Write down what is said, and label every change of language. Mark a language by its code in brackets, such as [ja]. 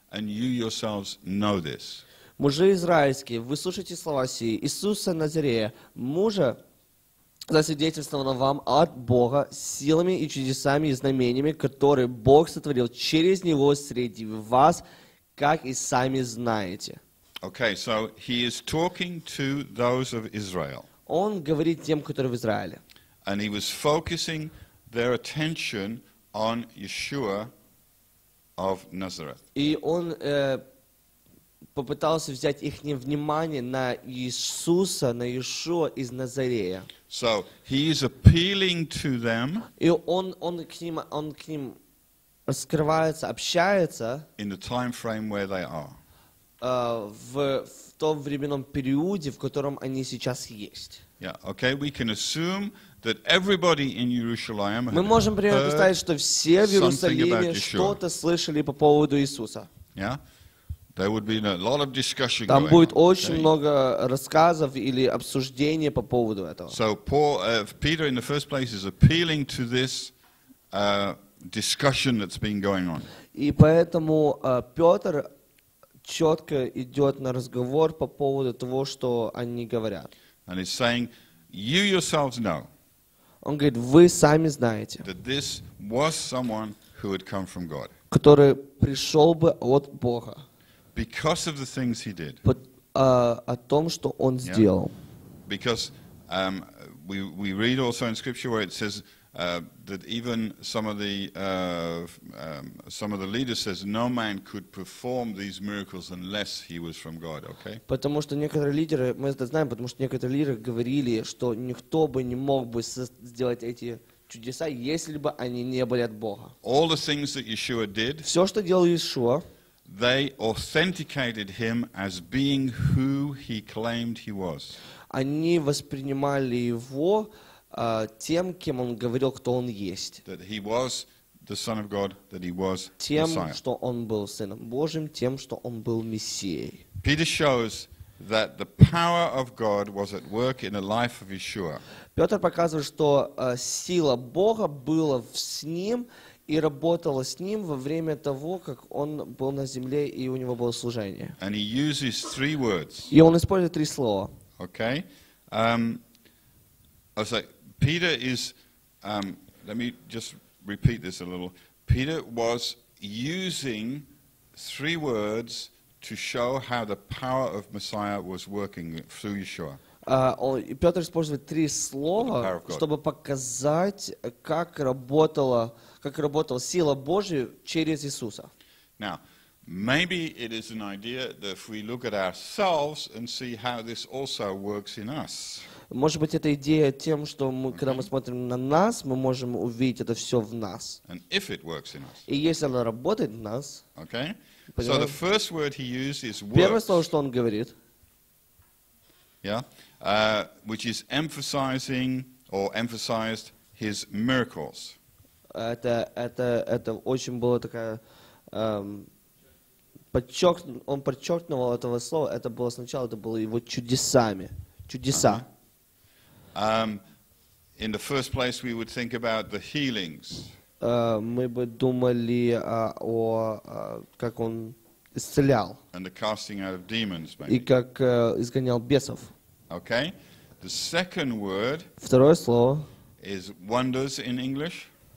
[en] And you yourselves know this. [ru] Мужи израильские, вы слушайте слова сии. Иисуса Назарея, мужа, засвидетельствованного вам от Бога силами и чудесами и знамениями, которые Бог сотворил через него среди вас, как и сами знаете. [en] Okay, so he is talking to those of Israel. [ru] Он говорит тем, которые в Израиле. [en] And he was focusing their attention on Yeshua of Nazareth. [ru] И он попытался взять их внимание на Иисуса, на Иешуа из Назарея. [en] So he is appealing to them. [ru] И он к ним раскрывается, общается. [en] In the time frame where they are. [ru] В том временном периоде, в котором они сейчас есть. [en] Yeah, okay, we can assume that everybody in Jerusalem [ru] мы можем примерно представить, что все в Иерусалиме что-то слышали по поводу Иисуса. [en] Yeah? There would be a lot of discussion. [ru] Там будет очень много рассказов или обсуждений по поводу этого. [en] So Paul, Peter, in the first place, is appealing to this discussion that's been going on. [ru] И поэтому Петр четко идет на разговор по поводу того, что они говорят. [en] And he's saying, "You yourselves know." [ru] Он говорит, вы сами знаете. [en] That this was someone who had come from God. [ru] Который пришел бы от Бога. [en] Because of the things he did. [ru] О том, что он сделал. [en] Because we read also in Scripture where it says that even some of the leaders says no man could perform these miracles unless he was from God. Okay. [ru] Потому что некоторые лидеры, мы это знаем, потому что некоторые лидеры говорили, что никто бы не мог бы сделать эти чудеса, если бы они не были от Бога. [en] All the things that Yeshua did. [ru] Все, что делал Иешуа. [en] They authenticated him as being who he claimed he was. [ru] Они воспринимали его тем, кем он говорил, кто он есть. [en] That he was the Son of God, that he was Messiah. [ru] Тем, что он был Сыном Божьим, тем, что он был Мессией. [en] Peter shows that the power of God was at work in the life of Yeshua. [ru] Петр показывает, что сила Бога была с ним и работала с ним во время того, как он был на земле и у него было служение. [en] And he uses three words. [ru] И он использует три слова. [en] Okay. I was like, Peter is, let me just repeat this a little. Peter was using three words to show how the power of Messiah was working through Yeshua. [ru] Петр использует три слова, чтобы показать, как работала сила Божия через Иисуса. [en] Now, maybe it is an idea that if we look at ourselves and see how this also works in us. [ru] Может быть, эта идея тем, что мы, когда мы смотрим на нас, мы можем увидеть это все в нас. [en] And if it works in us. [ru] И если оно работает в нас. [en] Okay. So the first word he used is works. [ru] Первое слово, что он говорит. [en] Yeah. Which is emphasizing or emphasized his miracles. [ru] Это очень было такая он подчеркнул этого слова. Это было сначала, это было его чудесами. Чудеса. [en] In the first place, we would think about the healings. [ru] Мы бы думали о как он исцелял. [en] And the casting out of demons, maybe. [ru] И как изгонял бесов. [en] Okay. The second word. [ru] Второе слово. [en] Is wonders in English.